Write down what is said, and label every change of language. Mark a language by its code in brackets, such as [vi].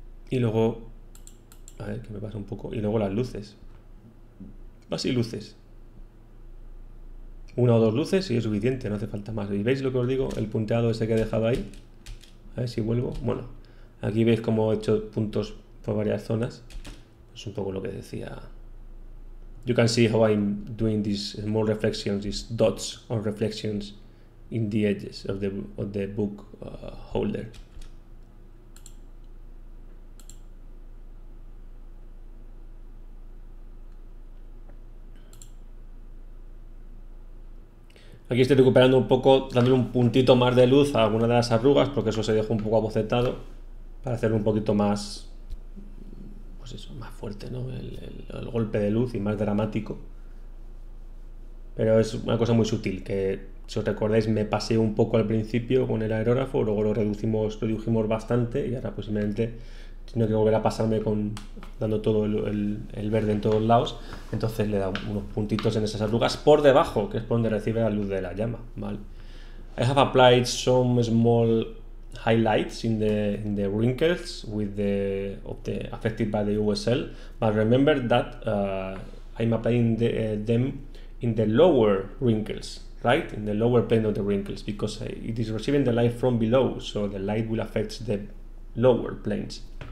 [es] Y luego. A ver, que me pasa un poco. Y luego las luces. Así luces. Una o dos luces y es suficiente, no hace falta más. ¿Y veis lo que os digo? El punteado ese que he dejado ahí. A ver si vuelvo. Bueno. Aquí veis cómo he hecho puntos por varias zonas. Es un poco lo que decía. [en] You can see how I'm doing these small reflections, these dots on reflections in the edges of the book holder. [es] Aquí estoy recuperando un poco, dándole un puntito más de luz a alguna de las arrugas, porque eso se dejó un poco abocetado. Para hacerlo un poquito más, pues eso, más fuerte, ¿no? El golpe de luz y más dramático. Pero es una cosa muy sutil, que si os recordáis me pasé un poco al principio con el aerógrafo, luego redujimos bastante y ahora pues simplemente tengo que volver a pasarme con dando todo el verde en todos lados. Entonces le da unos puntitos en esas arrugas por debajo, que es por donde recibe la luz de la llama, ¿vale? [en] I have applied some small highlights in the wrinkles with the of the affected by the USL, but remember that I'm applying them in the lower wrinkles. right, in the lower plane of the wrinkles, because it is receiving the light from below, so the light will affect the lower planes.